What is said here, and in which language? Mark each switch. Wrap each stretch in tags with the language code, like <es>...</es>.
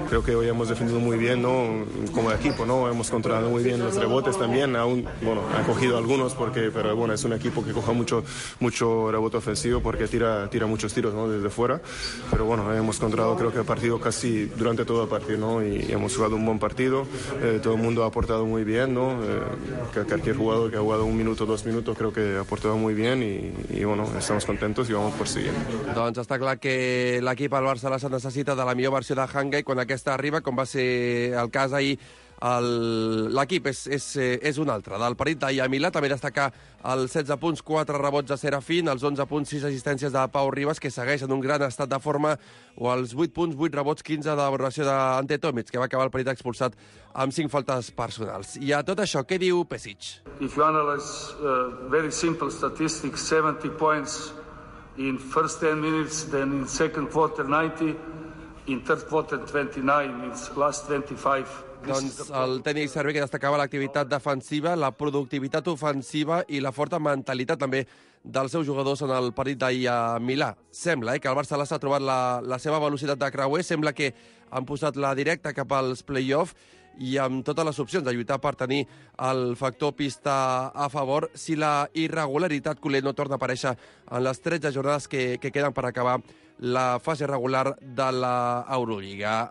<es>Creo que hoy hemos defendido muy bien, ¿no?, como equipo, ¿no? Hemos controlado muy bien los rebotes también, aún, bueno, han cogido algunos, pero bueno, es un equipo que coja mucho rebote ofensivo porque tira muchos tiros, ¿no?, desde fuera, pero bueno, hemos controlado creo que el partido casi durante todo el partido, ¿no?, y hemos jugado un buen partido. Todo el mundo ha aportado muy bien, ¿no? Cualquier jugador que ha jugado un minuto, dos minutos, creo que ha aportado muy bien y bueno, estamos contentos y vamos por siguiente.</es> <ca>Doncs està clar que l'equip al Barça les necessita de la millor versió de Hanga i quan aquesta arriba, com va ser el cas ahir, l'equip és un altre. Del perit d'ahir a Milà, també destacar els 16 punts, 4 rebots de Serafín, els 11 punts, 6 assistències de Pau Ribas, que segueix en un gran estat de forma, o els 8 punts, 8 rebots, 15 de valoració d'Ante Tomic, que va acabar el perit expulsat amb 5 faltes personals. I a tot això, què diu Pesic?</ca> <en>If you analyze very simple statistics, 70 points in first 10 minutes, then in second quarter 90, in third quarter 29, in last 25.</en> <ca>Doncs el tècnic Servi que destacava l'activitat defensiva, la productivitat ofensiva i la forta mentalitat també dels seus jugadors en el partit d'ahir a Milà. Sembla que el Barcelona s'ha trobat la seva velocitat de creuer, sembla que han posat la directa cap als play-offs i amb totes les opcions de lluitar per tenir el factor pista a favor si la irregularitat culer no torna a aparèixer en les 13 jornades que queden per acabar la fase regular de la Euroliga.</ca>